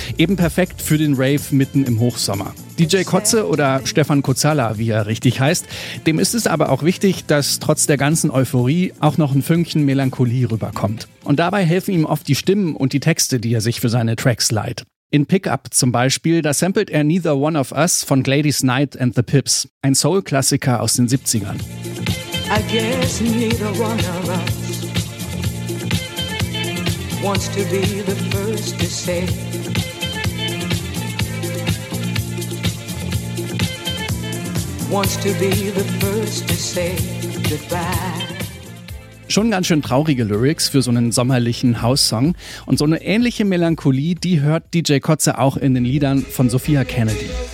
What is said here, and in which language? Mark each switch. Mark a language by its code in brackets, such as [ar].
[de] Eben perfekt für den Rave mitten im Hochsommer. DJ Kotze oder Stefan Kozala, wie er richtig heißt, dem ist es aber auch wichtig, dass trotz der ganzen Euphorie auch noch ein Fünkchen Melancholie rüberkommt. Und dabei helfen ihm oft die Stimmen und die Texte, die er sich für seine Tracks leiht. In Pickup zum Beispiel, da samplet er Neither One of Us von Gladys Knight and the Pips, ein Soul-Klassiker aus den 70ern. [en] I guess neither one of us wants to be the first to say wants to be the first to say goodbye. [de] Schon ganz schön traurige Lyrics für so einen sommerlichen House-Song. Und so eine ähnliche Melancholie, die hört DJ Kotze auch in den Liedern von Sophia Kennedy.